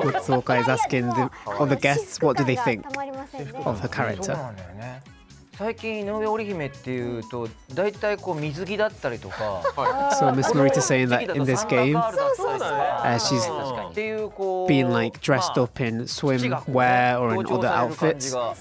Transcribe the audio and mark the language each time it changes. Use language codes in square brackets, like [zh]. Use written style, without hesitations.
[en] Matsuoka is asking the other guests what do they think of her character。 [ja] 最近井上織姫っていうと大体こう水着だったりとか、 [en] So Ms. Morita saying that in this game, she's being like dressed up in swimwear or in other outfits.